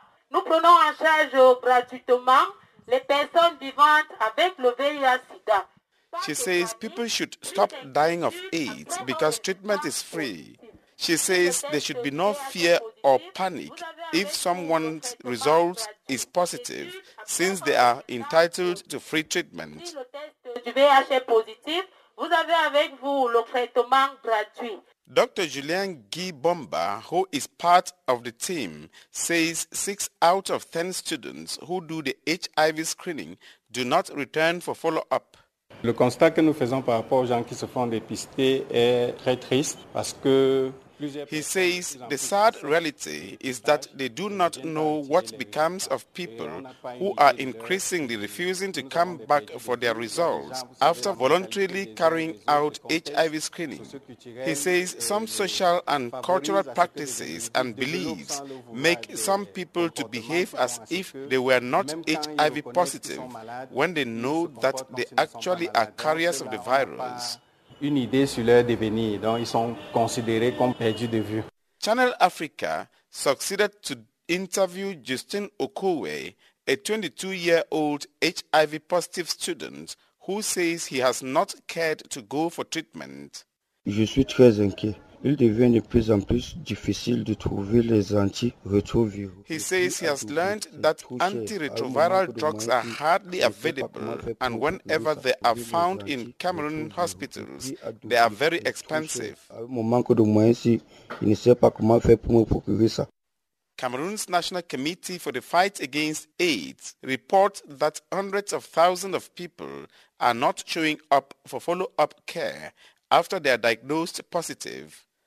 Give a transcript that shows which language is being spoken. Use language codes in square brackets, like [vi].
[fr] Nous prenons en charge gratuitement les personnes vivantes avec le VIH-SIDA. [en] She says people should stop dying of AIDS because treatment is free. She says there should be no fear or panic if someone's result is positive, since they are entitled to free treatment. [fr] Si le test du VIH est positif, vous avez avec vous le traitement gratuit. [en] Dr. Julien Guy Bomba, who is part of the team, says 6 out of 10 students who do the HIV screening do not return for follow-up. [fr] Le constat que nous faisons par rapport aux gens qui se font dépister est très triste parce que... [en] He says the sad reality is that they do not know what becomes of people who are increasingly refusing to come back for their results after voluntarily carrying out HIV screening. He says some social and cultural practices and beliefs make some people to behave as if they were not HIV positive when they know that they actually are carriers of the virus. [fr] Une idée sur leur devenir, donc ils sont considérés comme perdus de vue. [en] Channel Africa succeeded to interview Justin Okowe, a 22-year-old HIV-positive student who says he has not cared to go for treatment. [fr] Je suis très inquiet. Il devient de plus en plus difficile de trouver les antirétroviraux. [en] He says he has learned that antiretroviral drugs are hardly available, and whenever they are found in Cameroon hospitals, they are very expensive. Cameroon's National Committee for the Fight Against AIDS reports that hundreds of thousands of people are not showing up for follow-up care after they are diagnosed positive.